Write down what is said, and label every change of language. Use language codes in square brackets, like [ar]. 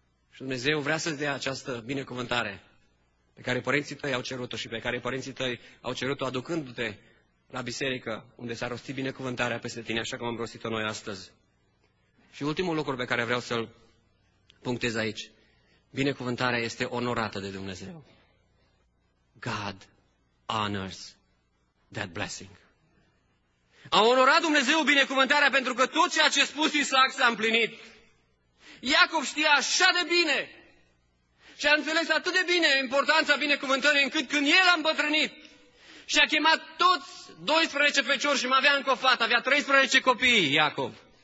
[ro] Și Dumnezeu vrea să-ți dea această binecuvântare pe care părinții tăi au cerut-o și pe care părinții tăi au cerut-o aducându-te la biserică unde s-a rostit binecuvântarea peste tine, așa cum am rostit-o noi astăzi. Și ultimul lucru pe care vreau să-l punctez aici. Binecuvântarea este onorată de Dumnezeu. [en] God honors that blessing. [ro] A onorat Dumnezeu binecuvântarea pentru că tot ceea ce a spus Isaac s-a împlinit. Iacov știa așa de bine și a înțeles atât de bine importanța binecuvântării încât când el a îmbătrânit și a chemat toți 12 feciori și mai avea încă o fată, avea 13 copii, Iacov.